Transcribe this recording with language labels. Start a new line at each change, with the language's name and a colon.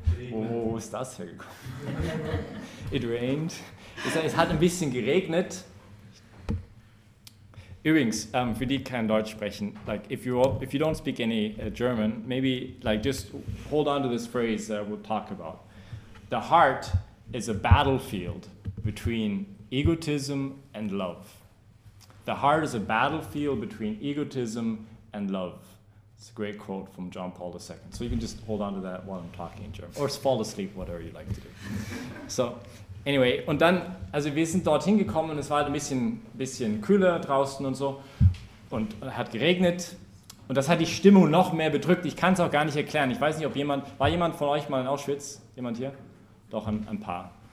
German: Wo ist das hergekommen?
English: It rained.
German: Es hat ein bisschen geregnet. Übrigens, für die, die kein Deutsch sprechen,
English: like if you don't speak any German, maybe like just hold on to this phrase that we'll talk about. The heart is a battlefield between egotism and love. The heart is a battlefield between egotism and love. It's a great quote from John Paul II. So you can just hold on to that while I'm talking in German, or fall asleep, whatever you like to do. So.
German: Anyway, und dann, also wir sind dorthin gekommen und es war halt ein bisschen kühler draußen und so und hat geregnet und das hat die Stimmung noch mehr bedrückt. Ich kann es auch gar nicht erklären. Ich weiß nicht, ob jemand, war jemand von euch mal in Auschwitz? Jemand hier? Doch, ein paar.